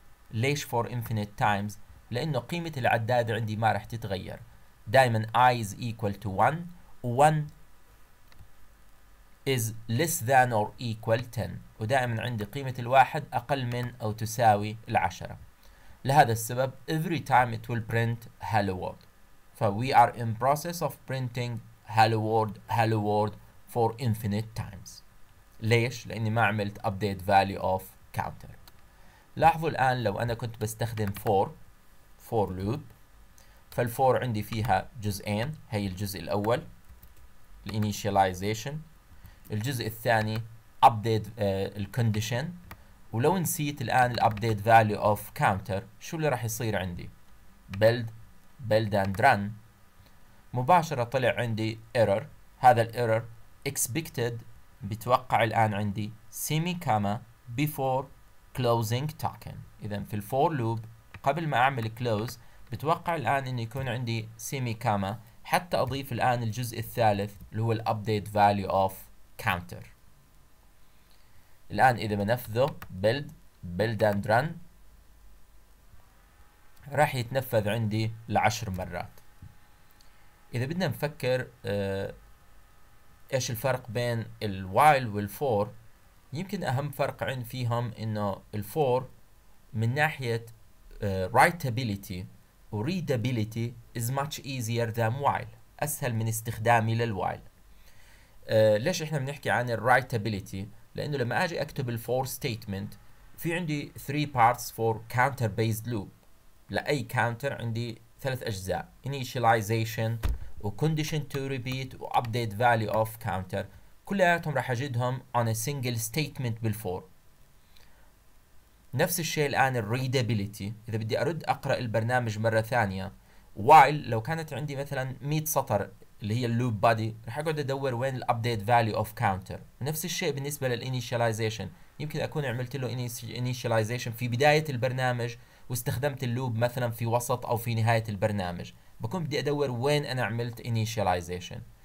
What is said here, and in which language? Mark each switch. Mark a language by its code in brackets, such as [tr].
[ar] ليش for infinite times؟ لانه قيمة العداد عندي ما رح تتغير، دايما i is equal to 1 و 1 is less than or equal 10، ودائما عندي قيمة الواحد اقل من او تساوي العشرة. [en] لهذا السبب every time it will print hello world. So we are in process of printing hello world for infinite times. [ar] ليش؟ لأني ما عملت update value of counter. لاحظوا الآن لو أنا كنت بستخدم for loop، فالfor عندي فيها جزئين، هي الجزء الأول initialization، الجزء الثاني update condition. ولو نسيت الآن update value of counter شو اللي راح يصير عندي؟ build and run، مباشرة طلع عندي error. هذا الايرور expected، بتوقع الآن عندي semi comma before closing token. إذا في الفور لوب قبل ما أعمل close بتوقع الآن إنه يكون عندي semi comma حتى أضيف الآن الجزء الثالث اللي هو الأبديت value of counter. الآن إذا بنفذه build and run راح يتنفذ عندي لعشر مرات. إذا بدنا نفكر إيش الفرق بين الوايل والفور، يمكن أهم فرق عند فيهم إنه الفور من ناحية writability وreadability is much easier than while، أسهل من استخدامي للوايل. ليش إحنا بنحكي عن writability؟ لأنه لما أجي أكتب الفور statement في عندي three parts for counter based loop. لأي counter عندي ثلاث أجزاء: initialization و condition to repeat و update value of counter، كلياتهم راح اجدهم on a single statement بالفور. نفس الشيء الان readability، اذا بدي ارد اقرا البرنامج مره ثانيه، while لو كانت عندي مثلا 100 سطر اللي هي loop body راح اقعد ادور وين update value of counter. نفس الشيء بالنسبه للinitialization، يمكن اكون عملت له initialization في بدايه البرنامج واستخدمت اللوب مثلا في وسط او في نهايه البرنامج، بكون بدي ادور وين انا عملت initialization.